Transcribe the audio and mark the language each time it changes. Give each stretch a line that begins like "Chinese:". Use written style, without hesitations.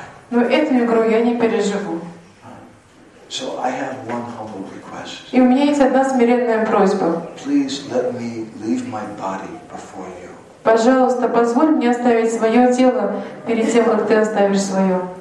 Russian: Но эту игру я не переживу.
English: So I have one humble request.
Russian: И у меня есть одна смиренная просьба.
English: Please let me leave my body before you.
Russian: Пожалуйста, позволь мне оставить свое тело перед тем, как ты оставишь свое.